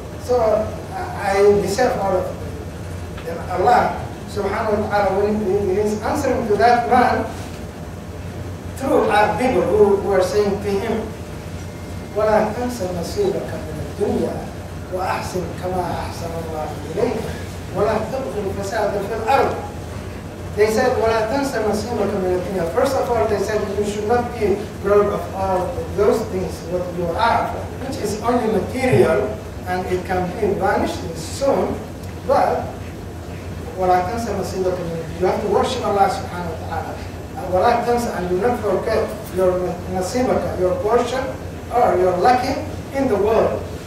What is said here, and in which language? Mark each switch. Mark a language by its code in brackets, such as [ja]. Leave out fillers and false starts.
[en] So I deserve all of them. Then Allah subhanahu wa ta'ala, when he is answering to that man, through our people who were saying to him, [ar] وَلَا تَنْسَ نَصِيبَكَ مِنَ الدُّنْيَا وَأَحْسِنْ كَمَا أَحْسَنَ اللَّهُ إِلَيْكَ وَلَا تَبْغِ الْفَسَادَ فِي الْأَرْضِ. [en] They said, [ar] وَلَا تَنْسَ نَصِيبَكَ مِنَ الدُّنْيَا. [en] First of all, they said, you should not be proud of all of those things, what you are, which is only material, and it can be vanished soon, but [ar] وَلَا تَنْسَ نَصِيبَكَ مِنَ الدُّنْيَا. [en] You have to worship Allah subhanahu wa ta'ala. [ar] وَلَا تَنْسَ, [en] and do not forget your nasibaka, your portion, or your lucky in the world.